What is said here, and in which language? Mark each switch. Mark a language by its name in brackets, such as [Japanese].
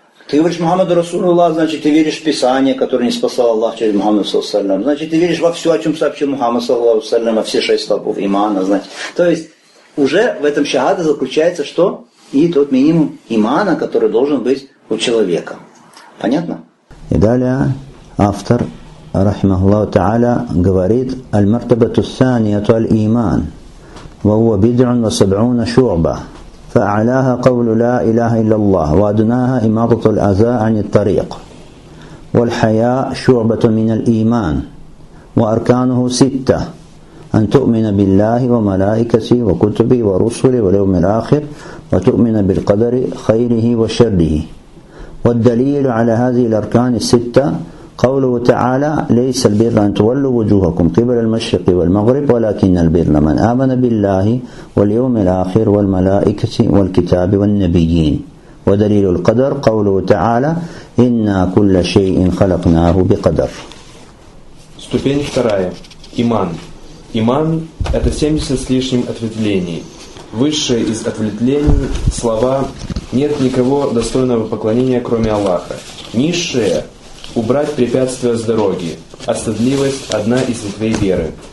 [Russian] Ты говоришь Мухаммаду Расулуллах, значит, ты веришь в Писание, которое не спасал Аллах через Мухаммад саллаллаху алейхи ва саллям. Значит, ты веришь во все, о чем сообщил Мухаммад саллаллаху алейхи ва саллям, во все шесть столпов имана, значит. То есть, уже в этом шахаде заключается что? И тот минимум имана, который должен быть у человека. Понятно? И далее автор [Arabic] رحمه الله تعالى [Russian] говорит [Arabic] المرتبة الثانية الإيمان وهو بدع وسبعون شعبة فأعلاها قول لا إله إلا الله وأدناها إماطة الأذى عن الطريق والحياء شعبة من الإيمان وأركانه ستة أن تؤمن بالله وملائكته وكتبه ورسله واليوم الآخر وتؤمن بالقدر خيره وشره. والدليل على هذه الأركان الستة قوله تعالى: ليس البر أن تولوا وجوهكم قبل المشرق والمغرب ولكن البر من آمن بالله واليوم الآخر والملائكة والكتاب والنبيين. ودليل القدر قوله تعالى: إنا كل شيء خلقناه بقدر. [Russian] ступень вторая. Иман. Иман – это 70 с лишним ответвлений. Высшее из ответвлений – слова «Нет никого достойного поклонения, кроме Аллаха». Низшее – убрать препятствия с дороги. Остыдливость – одна из ветвей веры.